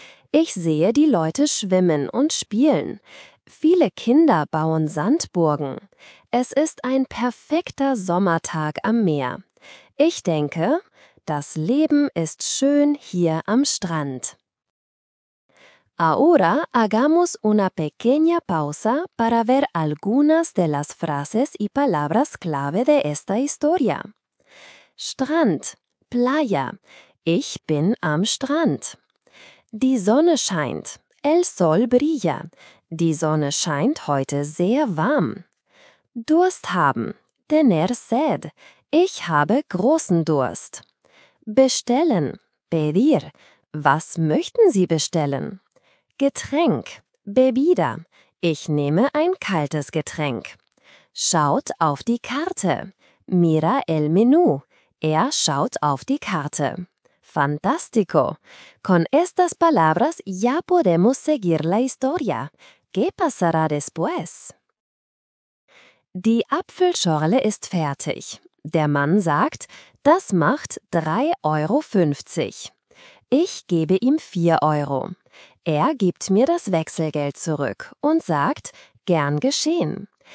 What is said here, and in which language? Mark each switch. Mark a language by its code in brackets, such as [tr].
[de] Ich sehe die Leute schwimmen und spielen. Viele Kinder bauen Sandburgen. Es ist ein perfekter Sommertag am Meer. Ich denke, das Leben ist schön hier am Strand. [es] Ahora hagamos una pequeña pausa para ver algunas de las frases y palabras clave de esta historia. [de] Strand, Playa. Ich bin am Strand. Die Sonne scheint. [es] El sol brilla. [de] Die Sonne scheint heute sehr warm. Durst haben. [es] Tener sed. [de] Ich habe großen Durst. Bestellen. Pedir. Was möchten Sie bestellen? Getränk. Bebida. Ich nehme ein kaltes Getränk. Schaut auf die Karte. [es] Mira el menú. [de] Er schaut auf die Karte. Fantástico. [es] Con estas palabras ya podemos seguir la historia. ¿Qué pasará después? [de] Die Apfelschorle ist fertig. Der Mann sagt, das macht 3,50 Euro. Ich gebe ihm 4 Euro. Er gibt mir das Wechselgeld zurück und sagt, gern geschehen.